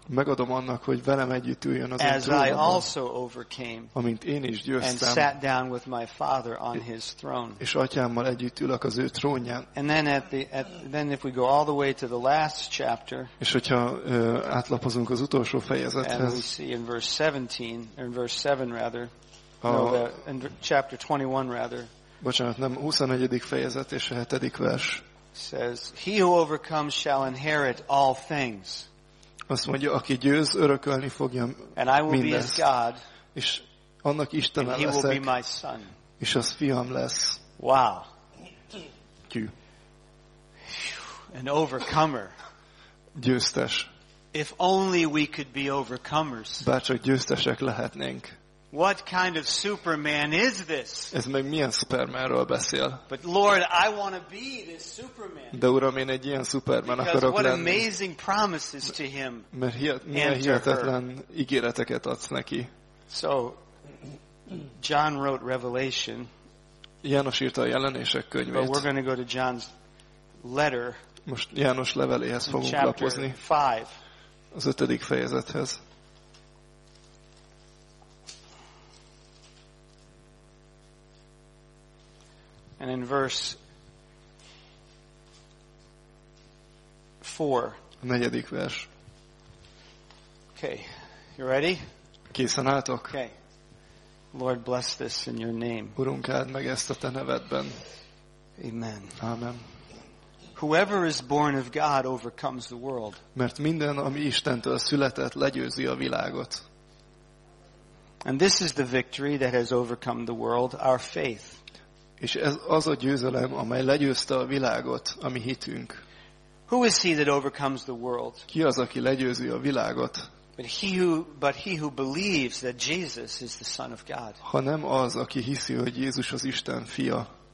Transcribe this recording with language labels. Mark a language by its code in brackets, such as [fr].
[hu] Megadom annak, hogy velem együtt üljön az [en] as I also overcame, [hu] amint én is győztem, [en] and sat down with my father on his throne. [hu] És atyámmal együtt ülök az ő trónján. [en] And then then if we go all the way to the last chapter, [hu] és hogyha átlapozunk az utolsó fejezethez, [en] and we see in verse 17, or in verse 7 rather, in chapter 21 rather, [hu] bocsánat, nem 21. fejezet és a 7. vers. [en] Says, he who overcomes shall inherit all things. [hu] Azt mondja, aki győz, örökölni fogja mindezt. [en] And I will be his God. [hu] És annak Istene leszek. [en] And he will be my son. [hu] És az fiam lesz. [en] Wow. [hu] Gyű. [en] An overcomer. [hu] Győztes. [en] If only we could be overcomers. [hu] Bárcsak győztesek lehetnénk. [en] What kind of Superman is this? [hu] Ez meg milyen Supermanről beszél? [en] But Lord, I want to be this Superman. [hu] De Uram, én egy ilyen Superman akarok lenni. [en] Because what amazing promises to him. [hu] Mert hihetetlen ígéreteket adsz neki. [en] So, John wrote Revelation. [hu] János írta a jelenések könyvét. [en] But we're going to go to John's letter. [hu] Most János leveléhez fogunk lapozni. [en] Chapter 5. [hu] Az 5. fejezethez. [en] And in verse 4. [hu] A 4. vers. [en] Okay, you ready? [hu] Készen álltok? [en] Okay. Lord bless this in your name. [hu] Urunk, áld meg ezt a te nevedben. [en] Amen. [hu] Amen. [en] Whoever is born of God overcomes the world. [hu] Mert minden, ami Istentől született, legyőzi a világot. [en] And this is the victory that has overcome the world, our faith. [hu] És ez az a győzelem, amely legyőzte a világot, a mi hitünk. [en] Who is he that overcomes the world? [hu] Ki az, aki legyőzi a világot? [en] But he who believes that Jesus is the Son of God. [hu] Ha nem az, aki hiszi, hogy Jézus az Isten fia.